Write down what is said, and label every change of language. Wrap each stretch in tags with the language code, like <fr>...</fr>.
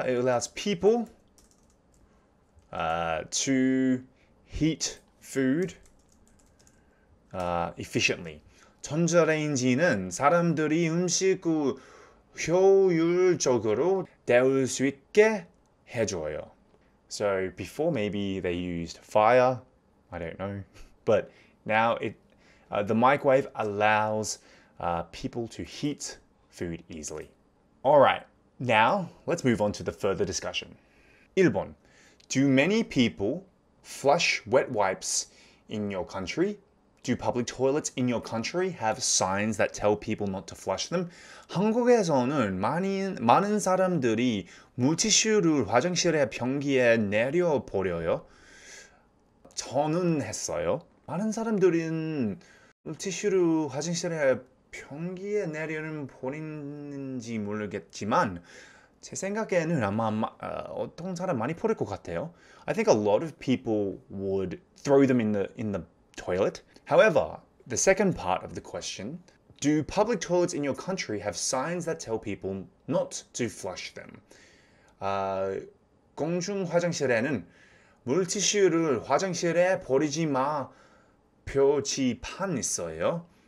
<en>It allows people to heat food efficiently.</en> <ko>전자레인지는 사람들이 음식을 효율적으로 데울 수 있게 해줘요.</ko> <en>So before maybe they used fire, I don't know, but now the microwave allows people to heat food easily. All right, now let's move on to the further discussion. 1번, do many people flush wet wipes in your country? Do public toilets in your country have signs that tell people not to flush them?</en> <ko>한국에서는 많은 사람들이 물티슈를 화장실의 변기에 내려버려요. 저는 했어요. 많은 사람들은 티슈로 화장실에 변기에 내려는 버리는지 모르겠지만 제 생각에는 아마 어떤 사람 많이 버릴 것 같아요.</ko> <en>I think a lot of people would throw them in the toilet. However, the second part of the question, do public toilets in your country have signs that tell people not to flush them?</en> <ko>공중 화장실에는 물티슈를 화장실에 버리지 마 표지판 있어요.</ko>